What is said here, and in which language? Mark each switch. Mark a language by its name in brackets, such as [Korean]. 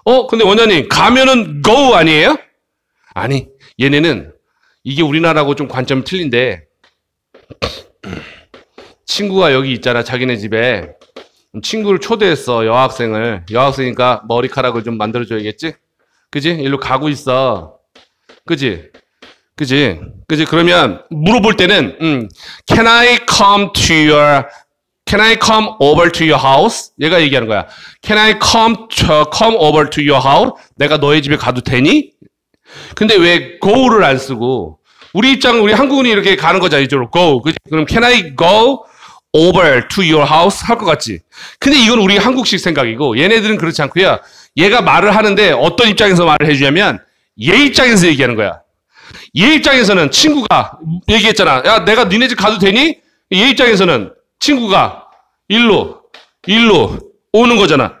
[Korean] 근데 원장님, 가면은 go 아니에요? 아니, 얘네는, 이게 우리나라하고 좀 관점이 틀린데, 친구가 여기 있잖아. 자기네 집에. 친구를 초대했어. 여학생을. 여학생이니까 머리카락을 좀 만들어줘야겠지? 그지? 일로 가고 있어. 그지? 그지? 그지? 그러면, 물어볼 때는, [English] can I come to your, can I come over to your house? [Korean] 얘가 얘기하는 거야. [English] Can I come, to, come over to your house? [Korean] 내가 너의 집에 가도 되니? 근데 왜 go를 안 쓰고, 우리 입장, 우리 한국은 이렇게 가는 거잖아. 이쪽으로 go. 그지? 그럼 [English] can I go over to your house? [Korean] 할 것 같지? 근데 이건 우리 한국식 생각이고, 얘네들은 그렇지 않고요. 얘가 말을 하는데 어떤 입장에서 말을 해주냐면 얘 입장에서 얘기하는 거야. 얘 입장에서는 친구가 얘기했잖아. 야, 내가 니네 집 가도 되니? 얘 입장에서는 친구가 일로 오는 거잖아.